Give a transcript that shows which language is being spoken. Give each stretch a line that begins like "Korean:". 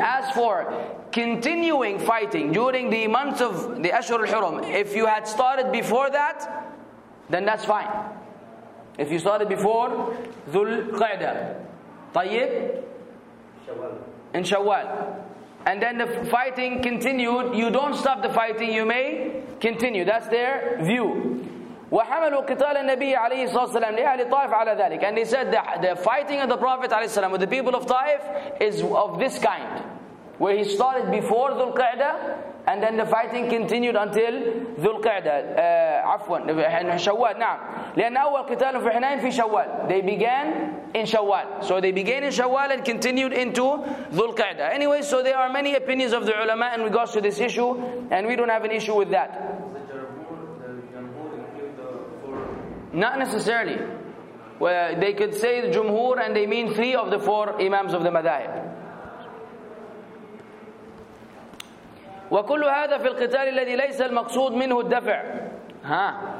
English: As for continuing fighting during the months of the Ashur al-Hurum, if you had started before that, then that's fine. If you started before Dhul Qa'dah,
Arabic: طيب,
English: in Shawwal, and then the fighting continued, you don't stop the fighting, you may continue. That's their view.
Arabic: وحملوا قتال النبي عليه الصلاة والسلام لأهل طائف على ذلك.
English: And they said that the fighting of the Prophet عليه السلام with the people of Taif is of this kind, where he started before Dhul Qa'dah, and then the fighting continued until Dhul Qa'dah, Shawwal,
Arabic: نعم. لأن أول قتال في حنين في شوال.
English: They began in Shawwal. So they began in Shawwal and continued into Dhul Qa'dah. Anyway, so there are many opinions of the ulama in regards to this issue, and we don't have an issue with that. Not necessarily. Well, they could say the Jumhur, and they mean three of the four Imams of the Madahib.
Arabic: وكل هذا في القتال الذي ليس المقصود منه الدفع. ها.